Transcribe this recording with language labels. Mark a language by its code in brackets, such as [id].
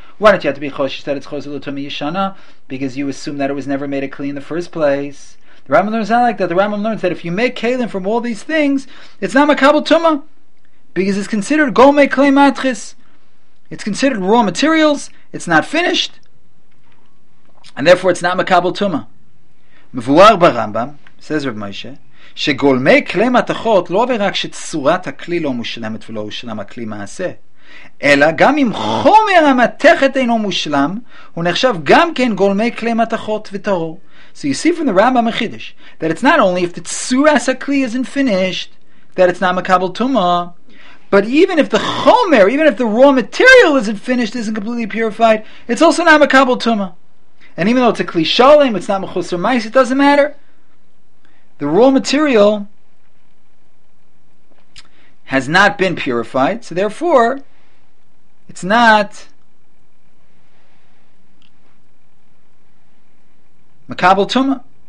[en] Why don't you have to be choshish that it's chozel l'tumah yishana? Because you assume that it was never made a kli in the first place. The Rambam learns not like that. The Rambam learns that if you make kelim from all these things, it's not makabel tumah, because it's considered gomei kli matris. It's considered raw materials. It's not finished, and therefore it's not makabel tumah. [he] Mevuar b'Rambam, [en] says Rav Moshe, [he] שגולמי כלי מתכות לא רק שצורת הכלי לא מושלמת ולא הושלם הכלי מעשה, אלא גם אם חומר המתכת אינו מושלם, הוא נחשב גם כן גולמי כלי מתכות וטהור. [en] So you see from the Rambam החידש, that it's not only if the tsuras הכלי isn't finished, that it's not מקבל tuma, but even if the chomer, even if the raw material isn't finished, isn't completely purified, it's also not מקבל tuma. And even though it's a כלי שלם, it's not מחוסר מייס, it doesn't matter. The raw material has not been purified, so therefore, it's not makabel tumah.